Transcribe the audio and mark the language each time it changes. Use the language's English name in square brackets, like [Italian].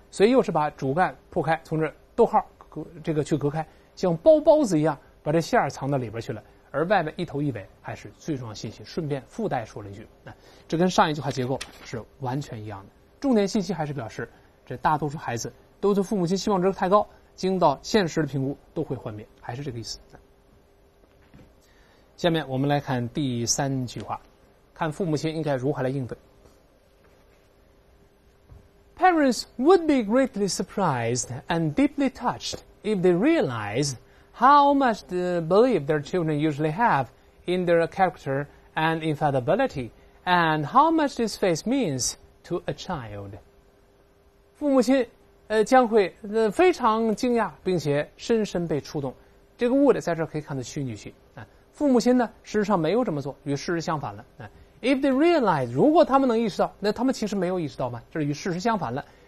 [Chinese] 所以又是把主干破开，从这逗号这个去隔开，像包包子一样把这馅儿藏到里边去了，而外面一头一尾还是最重要信息，顺便附带说了一句，这跟上一句话结构是完全一样的。重点信息还是表示这大多数孩子都对父母亲期望值太高，经到现实的评估都会幻灭，还是这个意思。下面我们来看第三句话，看父母亲应该如何来应对。 [English] Parents would be greatly surprised and deeply touched if they realize how much the belief their children usually have in their character and infallibility and how much this faith means to a child. [Chinese] 父母亲将会非常惊讶并且深深被触动。这个 would 在这可以看到虚拟句，父母亲呢事实上没有这么做，与事实相反了。 [English] If they realize, [Chinese] 如果他们能意识到，那他们其实没有意识到嘛，这是与事实相反了。